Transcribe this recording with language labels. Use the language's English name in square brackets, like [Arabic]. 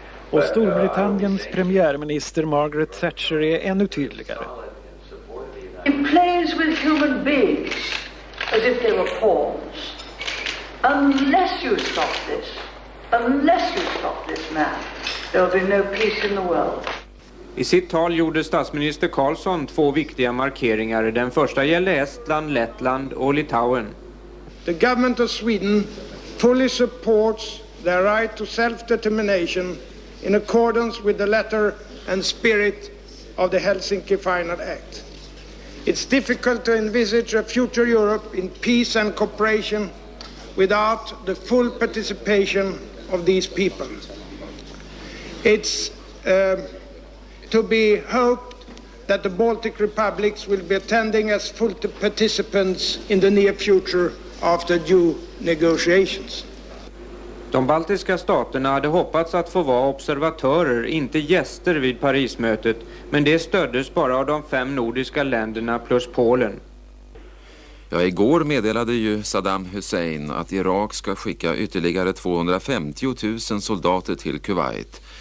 [Swedish] Och Storbritanniens premiärminister Margaret Thatcher är ännu tydligare. [English] He plays with human beings as if they were pawns. Unless you stop this man, there'll be no peace in the world. [Swedish] I sitt tal gjorde statsminister Carlsson två viktiga markeringar. Den första gällde Estland, Lettland och Litauen. [English] The government of Sweden fully supports their right to self-determination in accordance with the letter and spirit of the Helsinki Final Act. It's difficult to envisage a future Europe in peace and cooperation without the full participation of these people. It's to be hoped that the Baltic Republics will be attending as full participants in the near future after due negotiations. [Swedish] De baltiska staterna hade hoppats att få vara observatörer, inte gäster vid Parismötet, men det stöddes bara av de fem nordiska länderna plus Polen. Ja, igår meddelade ju Saddam Hussein att Irak ska skicka ytterligare 250 000 soldater till Kuwait.